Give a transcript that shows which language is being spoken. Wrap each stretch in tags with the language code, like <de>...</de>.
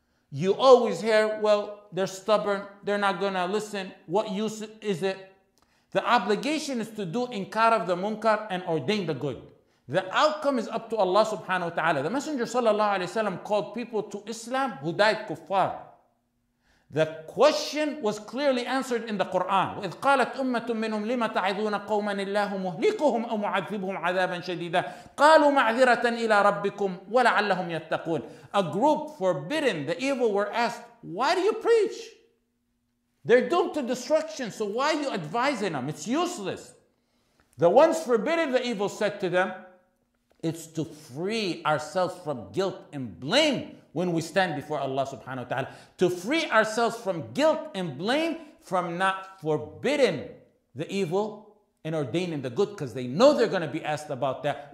<en>You always hear, well, they're stubborn, they're not going to listen, what use is it? The obligation is to do inkar of the munkar and ordain the good. The outcome is up to Allah subhanahu wa ta'ala. The Messenger sallallahu alayhi wa sallam called people to Islam who died kuffar. The question was clearly answered in the Quran.</en> <ar>وَإِذْ قَالَتْ أُمَّةٌ مِّنْهُمْ لِمَ تَعِذُونَ قَوْمًا إِلَّهُ مُهْلِكُهُمْ أَوْ مُعَذِّبُهُمْ عَذَابًا شَدِيدًا قَالُوا مَعْذِرَةً إِلَىٰ رَبِّكُمْ وَلَعَلَّهُمْ يَتَّقُونَ</ar> <en>A group forbidden, the evil, were asked, why do you preach? They're doomed to destruction, so why are you advising them? It's useless. The ones forbidden, the evil said to them, it's to free ourselves from guilt and blame when we stand before Allah subhanahu wa ta'ala. To free ourselves from guilt and blame from not forbidding the evil and ordaining the good, because they know they're going to be asked about that.</en>